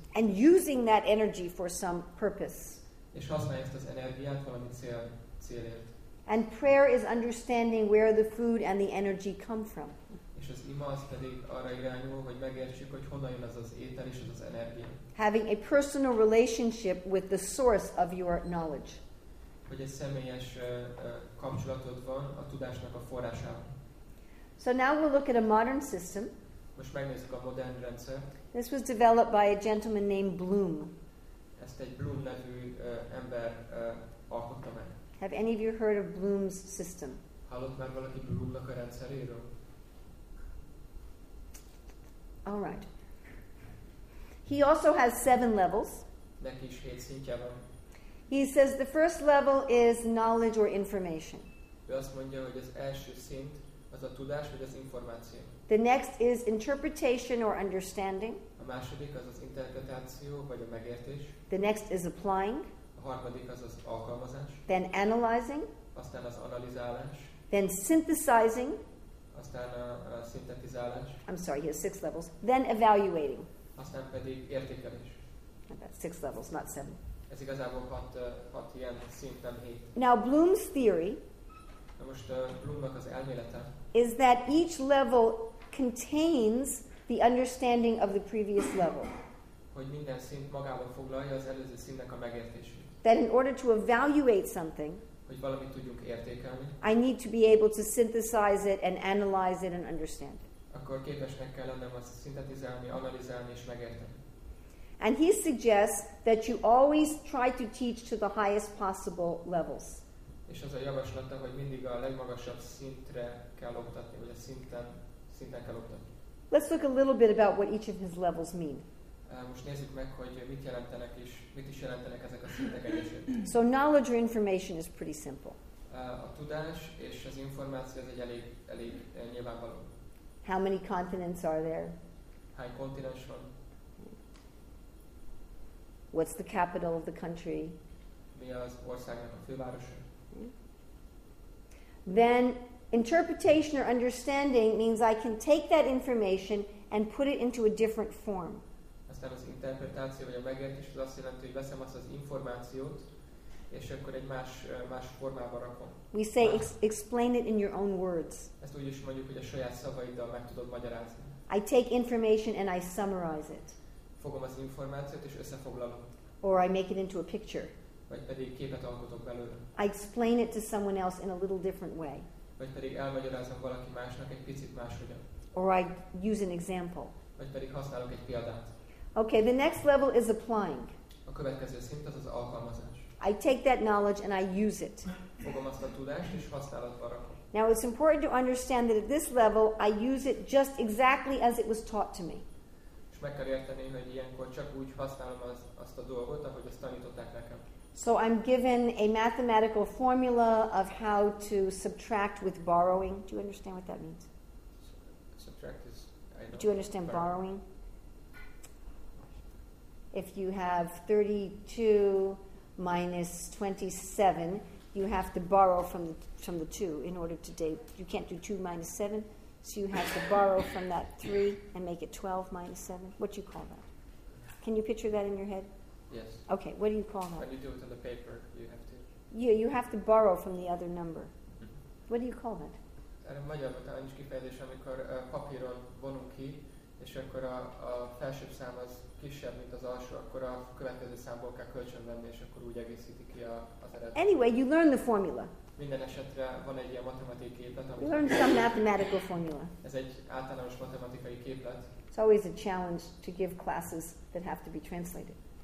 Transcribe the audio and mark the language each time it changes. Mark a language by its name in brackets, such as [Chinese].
[English] And using that energy for some purpose. [Hungarian] És használja ezt az energiát valami célért. [English] And prayer is understanding where the food and the energy come from. [Hungarian] És az ima az pedig arra irányul, hogy megértsük, hogy honnan jön az étel és az energia. [English] Having a personal relationship with the source of your knowledge. [Hungarian] Hogy egy személyes kapcsolatod van a tudásnak a forrásával. [English] So now we'll look at a modern system. [Hungarian] Most megnézzük a modern rendszert. [English] This was developed by a gentleman named Bloom. [Hungarian] Ezt egy Bloom nevű ember alkotta meg. [English] Have any of you heard of Bloom's system? [Hungarian] Hallott már valaki Bloom-nak a rendszeréről? [English] All right. He also has seven levels. [Hungarian] Neki is hét szintje van. [English] He says the first level is knowledge or information. [Hungarian] Ő azt mondja, hogy az első szint az a tudás vagy az információ. [English] The next is interpretation or understanding. [Hungarian] A második az az interpretáció vagy a megértés. [English] The next is applying. [Hungarian] A harmadik az az alkalmazás. [English] Then analyzing. [Hungarian] Aztán az analizálás. [English] Then synthesizing. [Hungarian] Aztán a szintetizálás. [English] I'm sorry, he has six levels. Then evaluating. [Hungarian] Aztán pedig értékelés. [English] That's six levels, not seven. [Hungarian] Ez igazából hat ilyen szint, nem hét. [English] Now Bloom's theory. [Hungarian] Na most Bloomnak az elmélete. [English] Is that each level contains the understanding of the previous level. [Hungarian] Hogy minden szint magában foglalja az előző szintnek a megértését. [English] That in order to evaluate something. [Hungarian] Hogy valamit tudjunk értékelni. [English] I need to be able to synthesize it and analyze it and understand it. [Hungarian] Akkor képesnek kell lennem azt szintetizálni, analizálni és megérteni. [English] And he suggests that you always try to teach to the highest possible levels. [Hungarian] És az a javaslata, hogy mindig a legmagasabb szintre kell oktatni, vagy a szinten kell oktatni. [English] Let's look a little bit about what each of his levels mean. [Hungarian] Most nézzük meg, hogy mit is jelentenek ezek a szintek egyesek. [English] So knowledge or information is pretty simple. [Hungarian] A tudás és az információ az egy elég nyilvánvaló. [English] How many continents are there? [Hungarian] Hány kontinens van? [English] What's the capital of the country? [Hungarian] Mi az országnak a fővárosa? [English] Then interpretation or understanding means I can take that information and put it into a different form. [Hungarian] Aztán az interpretáció vagy a megértés az azt jelenti, hogy veszem azt az információt, és akkor egy más formába rakom. [English] We say explain it in your own words. [Hungarian] Ezt úgy is mondjuk, hogy a saját szavaiddal meg tudod magyarázni. [English] I take information and I summarize it. [Hungarian] Fogom az információt és összefoglalom. [English] Or I make it into a picture. [Hungarian] Vagy pedig képet alkotok belőle. [English] I explain it to someone else in a little different way. [Hungarian] Vagy pedig elmagyarázom valaki másnak egy picit máshogyan. [English] Or I use an example. [Hungarian] Vagy pedig használok egy példát. [English] Okay, the next level is applying. [Hungarian] A következő szint az alkalmazás. [English] I take that knowledge and I use it. [Hungarian] Fogom azt a tudást és használatba rakom. [English] Now it's important to understand that at this level I use it just exactly as it was taught to me. [Hungarian] És meg kell érteni, hogy ilyenkor csak úgy használom azt a dolgot, ahogy azt tanították nekem. [English] So I'm given a mathematical formula of how to subtract with borrowing. Do you understand what that means? Subtract is, I know. Do you understand borrowing? If you have 32 minus 27, you have to borrow from the 2 in order to date. You can't do 2 minus 7, so you have to borrow from that 3 and make it 12 minus 7. What do you call that? Can you picture that in your head? Yes. Okay, what do you call that? When you do it on the paper, you have to. Yeah, you have to borrow from the other number. Mm-hmm. What do you call that? [Hungarian] Erre magyarul talán nincs kifejezés, amikor papíron vonunk ki, és akkor a felsőbb szám az kisebb, mint az alsó, akkor a következő számból kell kölcsönvenni, és akkor úgy egészíti ki az eredet. [English] Anyway, you learn the formula. [Hungarian] Minden esetre van egy ilyen matematikai képlet. [English] You learn some mathematical formula. [Hungarian] Ez egy általános matematikai képlet. [English] It's always a challenge to give classes that have to be translated.